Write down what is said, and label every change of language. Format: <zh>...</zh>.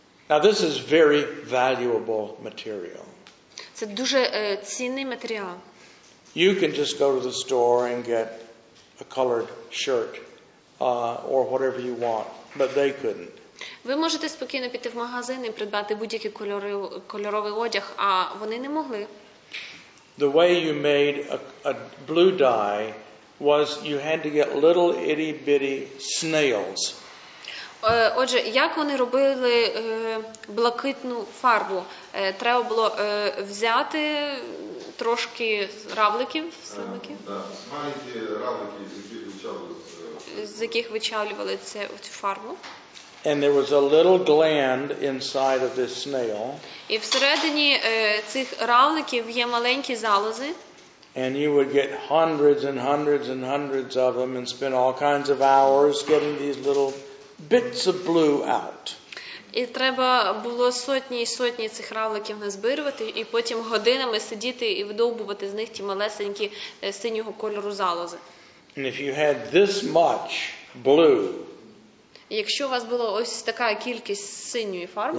<en>Now this is very valuable material.</en> <uk>Це дуже цінний матеріал.</uk> <en>You can just go to the store and get a colored shirt or whatever you want, but they couldn't.</en> <uk>Ви можете спокійно піти в магазин і придбати будь-який кольоровий одяг, а вони не могли.</uk> <en>The way you made a blue dye was you had to get little itty bitty snails.</en> <uk>Отже, як вони робили блакитну фарбу? Треба було взяти трошки равликів, слимаків. Так, маленькі равлики, з яких вичавлювали цю фарбу.</uk> <en>And there was a little gland inside of this snail.</en> <uk>І всередині цих равликів є маленькі залози.</uk> <en>And you would get hundreds and hundreds and hundreds of them and spend all kinds of hours getting these little bits of blue out.</en> <uk>І треба було сотні і сотні цих равликів назбирувати і потім годинами сидіти і видобувати з них ті малесенькі синього кольору залози.</uk> <en>And if you had this much blue,</en> <uk>Якщо у вас була ось така кількість синьої фарби,</uk>